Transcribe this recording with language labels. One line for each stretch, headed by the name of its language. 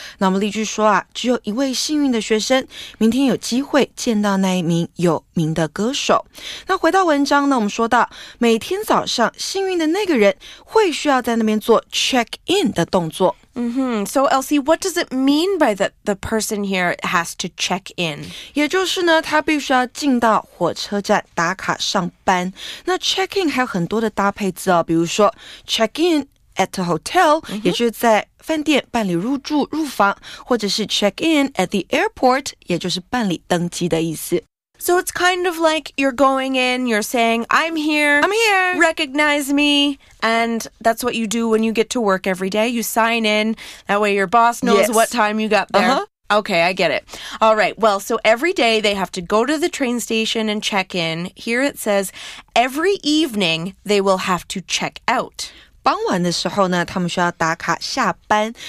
Chinese: 那我们例句说啊，只有一位幸运的学生，明天有机会见到那一名有名的歌手。那回到文章呢，我们说到每天早上幸运的那个人会需要在那边做 check in 的动作。 Mm-hmm.
English: So Elsie, what does it mean by that the person here has to check in?
Chinese: 也就是呢，他必须要进到火车站打卡上班。那 check in 还有很多的搭配字哦，比如说
English: check in at a hotel,、
Chinese: mm-hmm. 也就是在饭店办理入住入房，或者是
English: check in at the airport,
Chinese: 也就是办理登机的意思。
English: So it's kind of like you're going in, you're saying, I'm here, recognize me. And that's what you do when you get to work every day. You sign in, that way your boss knows、 yes. what time you got there.、 Uh-huh. Okay, I get it. All right, well, so every day they have to go to the train station and check in. Here it says, every evening they will have to check out.
Chinese: 傍晚的时候呢，他们需要打卡下班。